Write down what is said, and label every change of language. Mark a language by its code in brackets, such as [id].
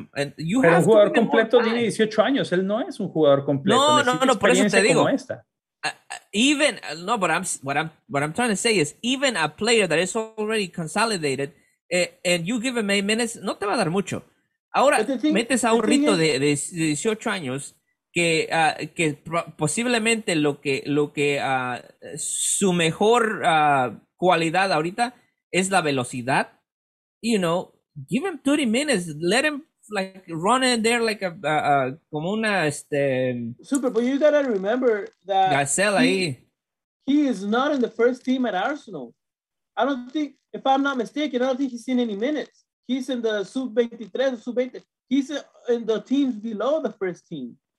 [es] Pero un jugador completo tiene 18 años, él no es un jugador completo. No, por eso te digo. [en] What I'm trying to say is, even a player that is already consolidated, and you give him 8 minutes, [es] no te va a dar mucho. Ahora metes a un rito de 18 años que posiblemente lo que su mejor cualidad ahorita es la velocidad. [en] You know, give him 30 minutes, let him like run in there like a [es] como una [en] super. But you gotta remember that Gazelle, he is not in the first team at Arsenal. I don't think, if I'm not mistaken, I don't think he's seen any minutes. He's in the sub 23, he's in the teams below the first team.